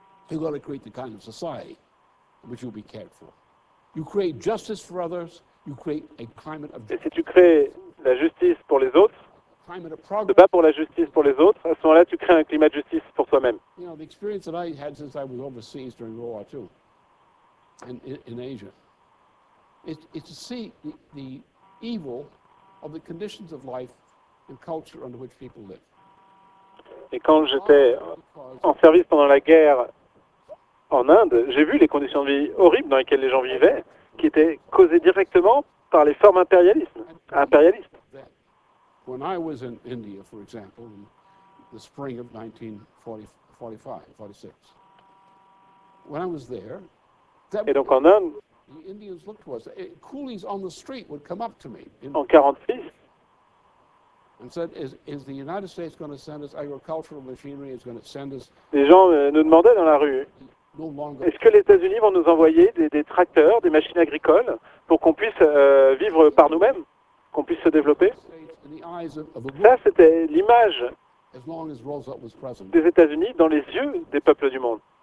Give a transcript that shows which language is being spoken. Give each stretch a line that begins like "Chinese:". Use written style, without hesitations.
English: You're going to create the kind of society which you'll be cared for. You create justice for others, you create a climate of
French: justice. Et si tu crées la justice pour les autres, de pas pour la justice pour les autres, à ce moment-là, tu crées un climat de justice pour toi-même.
English: You know, the experience that I had since I was overseas during World War II and in Asia is to see the evil of the conditions of life and culture under which people live.
French: Et quand j'étais en service pendant la guerre en Inde, j'ai vu les conditions de vie horribles dans lesquelles les gens vivaient, qui étaient causées directement par les formes impérialistes.
English: When I was in India, for example, in the spring of 1945, 46. When I was there,
French: et donc en Inde,
English: the Indians looked towards coolies on the street would come up to me
French: en 46
English: and said, is the United States going to send us agricultural machinery? Is going to send us.
French: Les gens nous demandaient dans la rue. Est-ce que les États-Unis vont nous envoyer des tracteurs, des machines agricoles pour qu'on puisse vivre par nous-mêmes, qu'on puisse se développer? Ça, c'était l'image des États-Unis dans les yeux des peuples du monde.